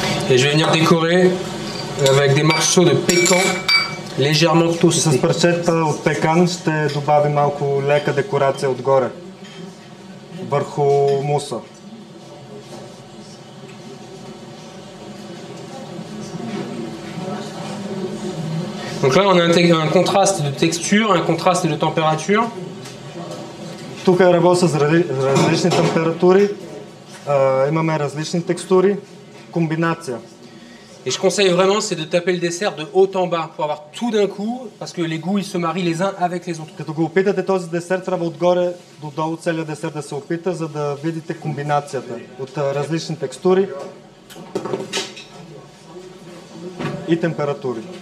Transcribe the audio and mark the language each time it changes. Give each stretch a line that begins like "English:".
French: Et je vais venir décorer avec des morceaux de pécan légèrement toastés.
Bulgarian: С парчета от пекан ще добавим малко лека декорация отгоре върху муса.
French: Donc là on intègre un contraste de texture, un contraste de température.
Bulgarian: Тук работим с различни температури, имаме различни текстури, комбинация.
French: Et je conseille vraiment, c'est de taper le dessert de haut en bas pour avoir tout d'un coup, parce que les goûts ils se marient les uns avec les autres.
Bulgarian: Като го опитате този десерт, трябва отгоре до долу целият десерт да се опита, за да видите комбинацията от различни текстури и температури.